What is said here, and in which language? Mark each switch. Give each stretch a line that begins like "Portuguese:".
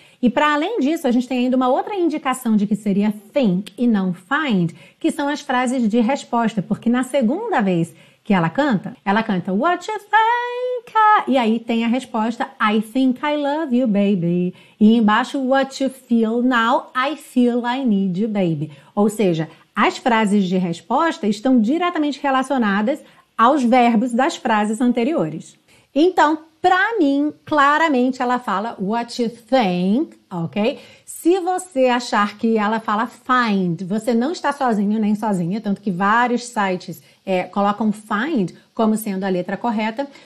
Portuguese: E para além disso, a gente tem ainda uma outra indicação de que seria think e não find, que são as frases de resposta, porque na segunda vez que ela canta
English: what you think,
Portuguese: e aí tem a resposta
English: I think I love you, baby.
Portuguese: E embaixo,
English: what you feel now, I feel I need you, baby.
Portuguese: Ou seja, as frases de resposta estão diretamente relacionadas aos verbos das frases anteriores. Então, pra mim, claramente, ela fala
English: what you think,
Portuguese: ok? Se você achar que ela fala find, você não está sozinho nem sozinha, tanto que vários sites colocam find como sendo a letra correta.